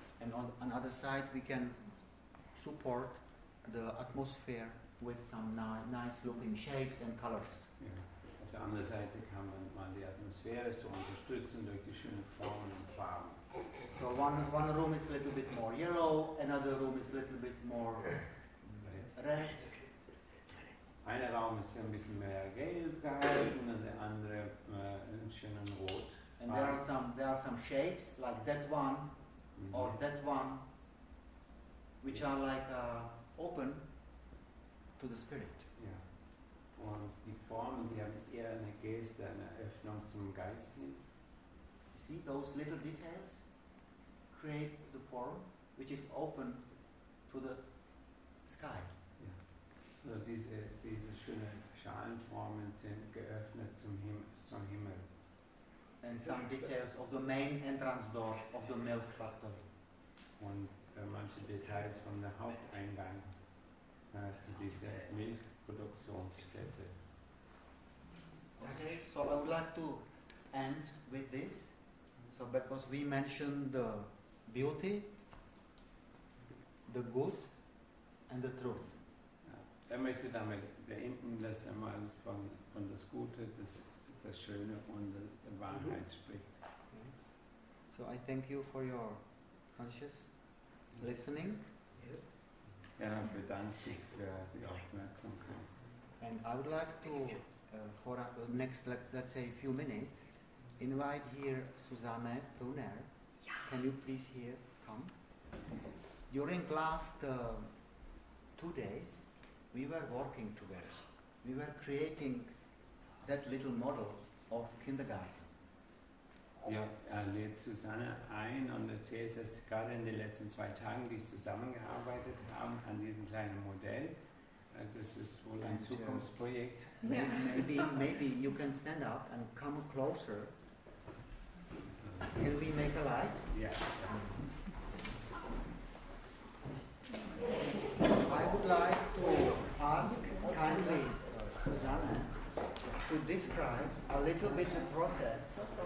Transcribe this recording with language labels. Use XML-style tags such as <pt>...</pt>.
<en>And on another side, we can support the atmosphere with some nice looking shapes and colors.</en> <de>Auf der anderen Seite kann man mal die Atmosphäre so unterstützen durch die schönen Formen und Farben.</de> <en>So one room is a little bit more yellow, another room is a little bit more red.</en> <de>Ein Raum ist ein bisschen mehr gelb gehalten und der andere ein schönen rot.</de> <en>And there are some shapes like that one or that one, which are like open to the spirit. Yeah.</en> <de>Und die Formen, die haben eher eine Geste, eine Öffnung zum Geist hin.</de> <en>You see those little details? Create the form which is open to the sky. Yeah.</en> <de>So diese schöne Schalenformen sind geöffnet zum Himmel.</de> <en>And some details of the main entrance door of the milk factory.</en> <de>Und manche Details von der Haupteingang zu dieser Milchproduktionsstätte.</de> <en>Okay, so I would like to end with this. So because we mentioned the beauty, the good, and the truth.</en> <de>Ja, ich möchte damit beenden, dass er mal von das Gute, das Schöne und der Wahrheit spricht.</de> <en>So I thank you for your conscious listening.</en> <de>Ja, bedanke mich für die Aufmerksamkeit.</de> <en>And I would like to, for the next, let's say, few minutes, invite here Susanne Brunner. Can you please here come? During last 2 days, we were working together. We were creating that little model of kindergarten.</en> <de>Ja, er lädt Susanne ein und erzählt, dass gerade in den letzten 2 Tagen, die zusammengearbeitet haben an diesem kleinen Modell,</de> <en>And this is what I'm Zukunftsprojekt. Maybe you can stand up and come closer. Can we make a light? Yes. I would like to ask kindly Susanne to describe a little bit the process.</en>